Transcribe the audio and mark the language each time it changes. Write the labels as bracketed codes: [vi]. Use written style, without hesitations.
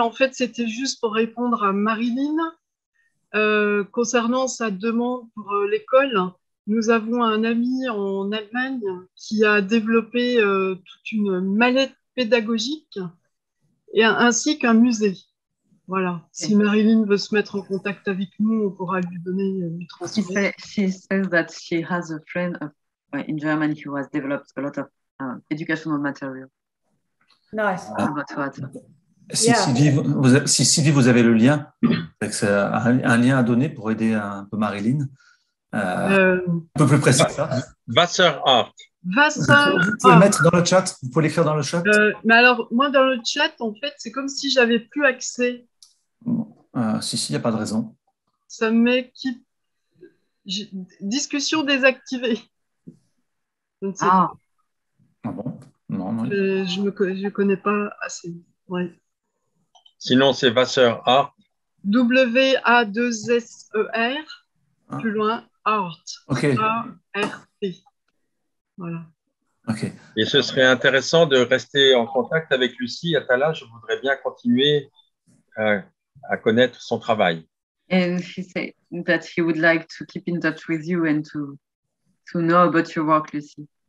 [fr] En fait, c'était juste pour répondre à Marilyn. Concernant sa demande pour l'école, nous avons un ami en Allemagne qui a développé toute une mallette pédagogique et ainsi qu'un musée. Voilà. Si Marilyn veut se mettre en contact avec nous, on pourra lui donner du transfert. [en] She says that she has a friend in Germany who has developed a lot of educational material. Nice. [fr] Sylvie, vous avez le lien, avec un lien à donner pour aider un peu Marilyn. Un peu plus précis. Wasserart. Vous pouvez mettre dans le chat, vous pouvez l'écrire dans le chat. Mais alors, moi, dans le chat, en fait, c'est comme si j'avais plus accès. Si, il n'y a pas de raison. Ça me met qui. Discussion désactivée. Ah bon? Non, non. Je ne connais pas assez. Ouais. Sinon, c'est Wasserart. W-A-2-S-E-R, plus loin, art. OK. A-R-T. Voilà. OK. Et ce serait intéressant de rester en contact avec Luci. Attala, je voudrais bien continuer à connaître son travail. [en] And he said that he would like to keep in touch with you and to know about your work, Luci.